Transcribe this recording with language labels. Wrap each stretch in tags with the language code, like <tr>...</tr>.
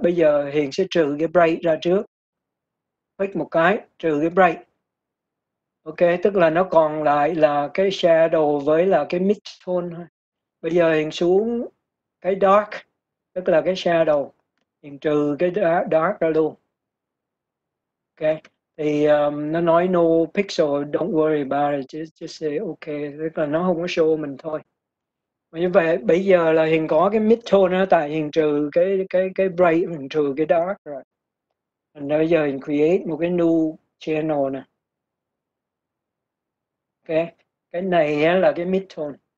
<vi>Bây giờ Hiền sẽ trừ cái break ra trước. Click một cái, trừ cái break. Ok, tức là nó còn lại là cái shadow với là cái mid tone thôi. Bây giờ Hiền xuống cái dark, tức là cái shadow. Hiền trừ cái dark ra luôn.</vi> <en>Ok,</en> <vi>thì nó nói</vi> <en>no pixel, don't worry about it, just say ok.</en> <vi>Tức là nó không có show mình thôi. Mà như vậy, bây giờ là Hiền có cái mid tone đó, tại Hiền trừ cái bright, Hiền trừ cái dark rồi. Và bây giờ Hiền create một cái new channel nè. Okay. Cái này là cái mid tone.</vi>